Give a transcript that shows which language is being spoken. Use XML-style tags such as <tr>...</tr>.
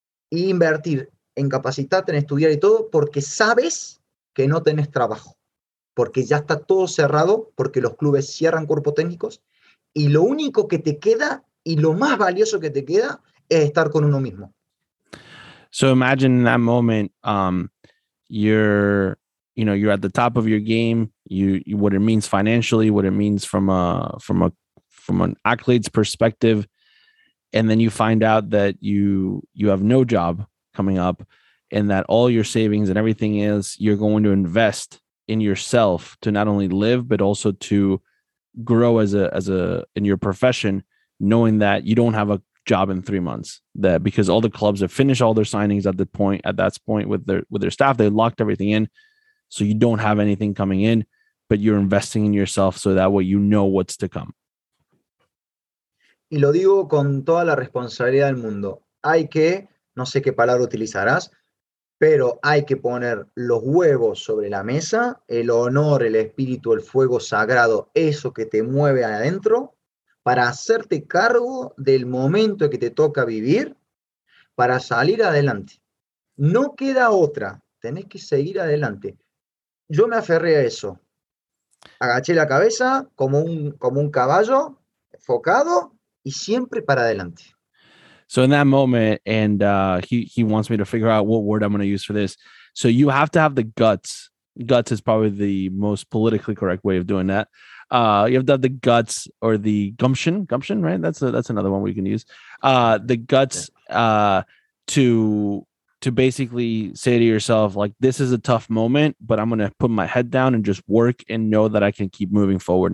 <es>e invertir en capacitarte, en estudiar y todo, porque sabes que no tenés trabajo, porque ya está todo cerrado, porque los clubes cierran cuerpos técnicos y lo único que te queda y lo más valioso que te queda es estar con uno mismo.</es> <en>So imagine in that moment, you're at the top of your game, you what it means financially, what it means from an accolades perspective, and then you find out that you have no job coming up and that all your savings and everything is you're going to invest in yourself to not only live but also to grow as a in your profession, knowing that you don't have a job in 3 months, that because all the clubs have finished all their signings at that point with their staff, they locked everything in, so you don't have anything coming in, but you're investing in yourself so that way you know what's to come.</en> <es>Y lo digo con toda la responsabilidad del mundo. Hay que, no sé qué palabra utilizarás, pero hay que poner los huevos sobre la mesa, el honor, el espíritu, el fuego sagrado, eso que te mueve adentro, para hacerte cargo del momento que te toca vivir, para salir adelante. No queda otra. Tenés que seguir adelante. Yo me aferré a eso. Agaché la cabeza como un caballo, enfocado y siempre para adelante.</es> <en>So in that moment, and he wants me to figure out what word I'm going to use for this. So you have to have the guts. Guts is probably the most politically correct way of doing that. You have to have the guts or the gumption, right? That's another one we can use. The guts to basically say to yourself, like, this is a tough moment, but I'm going to put my head down and just work and know that I can keep moving forward.</en>